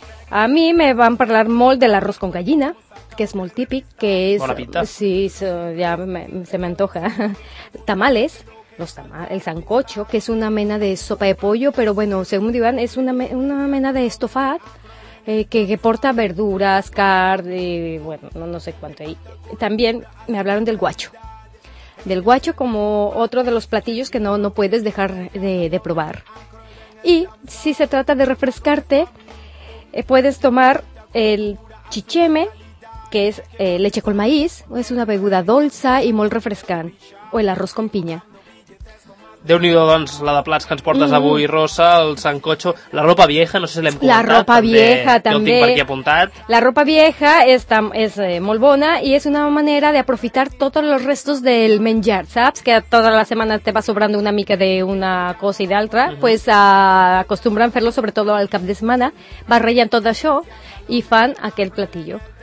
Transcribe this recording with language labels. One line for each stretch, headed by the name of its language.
Catalan: A mi me van parlar molt de l'arroz con gallina, que és molt típic, que és... Bona pinta.
Spanish: Sí, se me antoja.
Catalan: Tamales, el sancocho, que és una mena de
Spanish: sopa de pollo,
Catalan: però bueno,
Spanish: según
Catalan: diuen, és una mena de estofat que porta
Spanish: verduras,
Catalan: carn
Spanish: y bueno, no sé cuánto hay. También me hablaron del guacho. Del guacho como otro de los platillos que no puedes dejar de probar. Y si se trata de refrescarte, puedes tomar el chicheme, que es leche con maíz, es
Catalan: una beguda dolça
Spanish: y
Catalan: molt refrescant,
Spanish: o el arroz con piña.
Catalan: Déu-n'hi-do, doncs, la de plats que ens portes avui, Rosa, el sancocho, la ropa vieja, no sé si l'hem comentat. La ropa vieja, també. Jo ho tinc per aquí apuntat. La ropa vieja és molt bona i és una manera d'aprofitar tots els restos del menjar, saps? Que tota la setmana te va sobrant una mica d'una cosa i d'altra,
Spanish: pues acostumbran
Catalan: fer-lo, sobretot al cap de setmana, barrellen tot això i fan aquell platillo.